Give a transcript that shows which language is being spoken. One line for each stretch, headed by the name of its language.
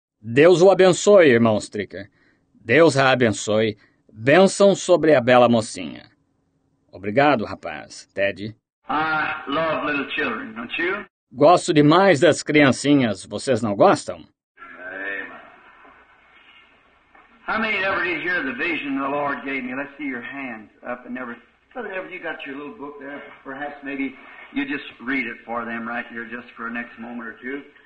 Portuguese: Deus o abençoe, irmão Stricker. Deus a abençoe. Bênção sobre a bela mocinha. Obrigado, rapaz. Ted.
English: I love little children, don't you?
Portuguese: Gosto demais das criancinhas. Vocês não gostam?
English: Amen. How many ever did you hear the vision the Lord gave me? Let's see your hands up and never. Whatever, you got your little book there. Perhaps maybe you just read it for them right here just for the next moment or two.